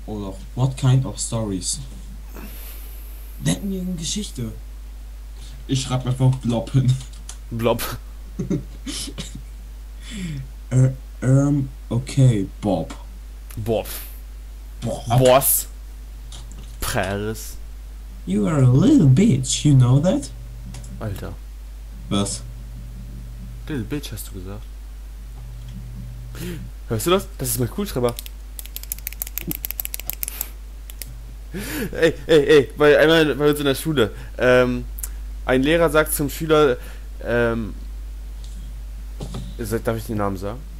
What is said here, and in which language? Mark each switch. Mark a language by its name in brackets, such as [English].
[English] Oder what kind of stories? [German] Nenn mir eine Geschichte. Ich schreib einfach Blob hin. Blob. Okay, Bob. Bob. Boss. Paris. [English] You are a little bitch, you know that? [German] Alter. Was? [English] Little bitch, [German] hast du gesagt. Hörst du das? Das ist mein Kugelschreiber. Bei uns in der Schule. Ein Lehrer sagt zum Schüler, darf ich den Namen sagen?